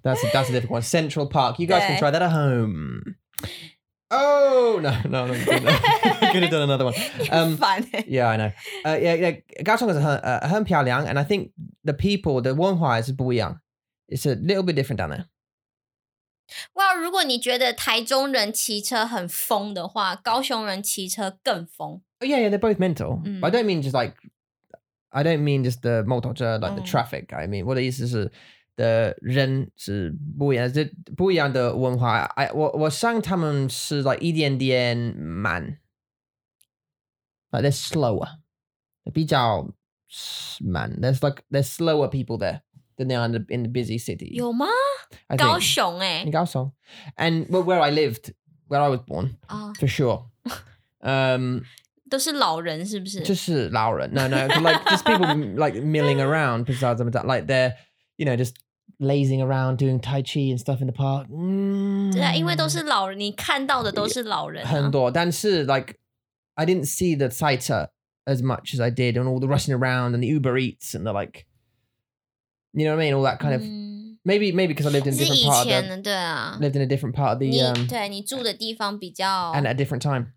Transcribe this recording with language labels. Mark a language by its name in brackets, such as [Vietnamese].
[English] That's a different one. Central Park. You guys can try that at home. Oh, no. Could have done another one. Fine. Yeah, I know. Yeah, Kaohsiung is [Chinese] 很漂亮, [English] and I think the people, the 文化 is [Chinese] 不一样. [English] It's a little bit different down there. [Chinese] Well, 如果你觉得台中人骑车很疯的话, 高雄人骑车更疯. [English] Oh, yeah, they're both mental. But I don't mean just the 摩托车, like the traffic. I mean, [Chinese] 我的意思是, 的人是不一样的文化. 我想他们是 like 一点点慢. [English] Like they're slower. They're [Chinese] 比较慢. [English] There's like, they're slower people there. Than they are in the busy city. [Chinese] 有吗? 高雄欸.高雄. [English] And where I lived, where I was born, for sure. [Chinese] 都是老人是不是? 就是老人. [English] No, like just people like milling around, besides, like they're, you know, just lazing around doing Tai Chi and stuff in the park. [Chinese] 对啊,因为都是老人, 你看到的都是老人啊. 很多, 但是 [English] like, I didn't see the 赛车 as much as I did, and all the rushing around, and the Uber Eats, and the like, you know what I mean? All that kind of... Maybe because I lived in a different part of the... [Chinese] 是以前的,对啊. [English] Lived in a different part of the... [Chinese] 你住的地方比较... [English] And at a different time.